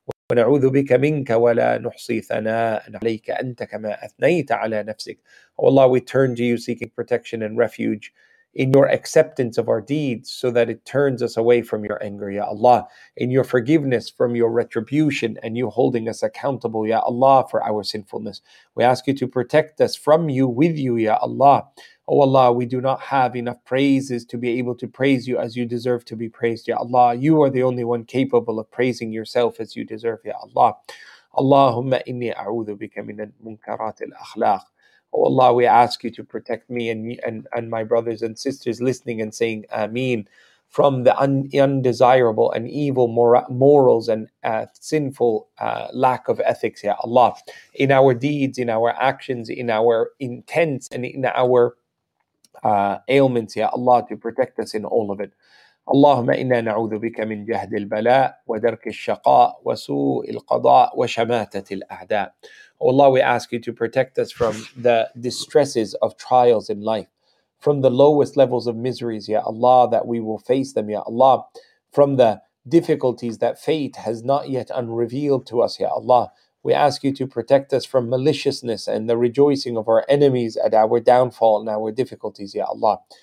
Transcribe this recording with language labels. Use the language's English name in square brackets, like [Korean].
[Arabic] ونعوذ بك منك ولا نحصي ثناء عليك أنت كما أثنيت على نفسك. [English] O Allah, we turn to you seeking protection and refuge in your acceptance of our deeds so that it turns us away from your anger, Ya Allah, in your forgiveness from your retribution and you holding us accountable, Ya Allah, for our sinfulness. We ask you to protect us from you, with you, Ya Allah. O Allah, we do not have enough praises to be able to praise you as you deserve to be praised, Ya Allah. You are the only one capable of praising yourself as you deserve, Ya Allah. [Arabic] Allahumma inni a'udhu bika min al-munkarat al-akhlaq. [English] Oh Allah, we ask you to protect me and my brothers and sisters listening and saying Ameen. from the undesirable and evil morals and sinful lack of ethics, Ya Allah, in our deeds, in our actions, in our intents, and in our ailments, Ya Allah, to protect us in all of it. [Arabic] اللهم إنا نعوذ بك من جهد البلاء ودرك الشقاء وسوء القضاء وشماتة الأعداء. [English] Allah, we ask you to protect us from the distresses of trials in life, from the lowest levels of miseries, Ya Allah, that we will face them, Ya Allah, from the difficulties that fate has not yet unrevealed to us, Ya Allah. We ask you to protect us from maliciousness and the rejoicing of our enemies at our downfall and our difficulties, Ya Allah.